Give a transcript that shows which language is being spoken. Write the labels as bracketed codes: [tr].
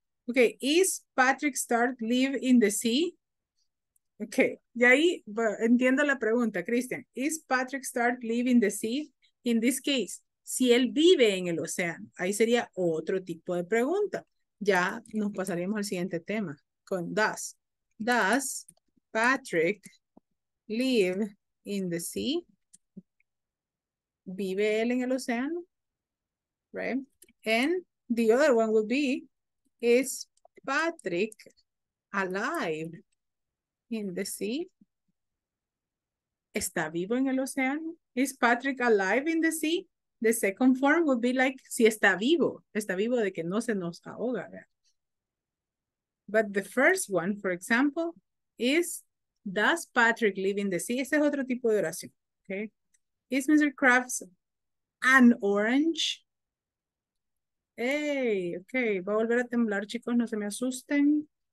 [en] Okay, is Patrick Star live in the sea? [es] Okay, y ahí bueno, entiendo la pregunta, Christian. [en] Is Patrick Star live in the sea? In this case, [es] si él vive en el océano, ahí sería otro tipo de pregunta. Ya nos pasaríamos al siguiente tema con does. [en] Does Patrick live in the sea? [es] ¿Vive él en el océano? [en] Right? And the other one would be, is Patrick alive in the sea? [es] ¿Está vivo en el océano? [en] Is Patrick alive in the sea? The second form would be like, [es] si está vivo. Está vivo de que no se nos ahoga. [en] But the first one, for example, is, does Patrick live in the sea? [es] Ese es otro tipo de oración. Okay. [en] Is Mr. Krabs an orange? [es] Hey, okay. Va a volver a temblar, chicos. No se me asusten.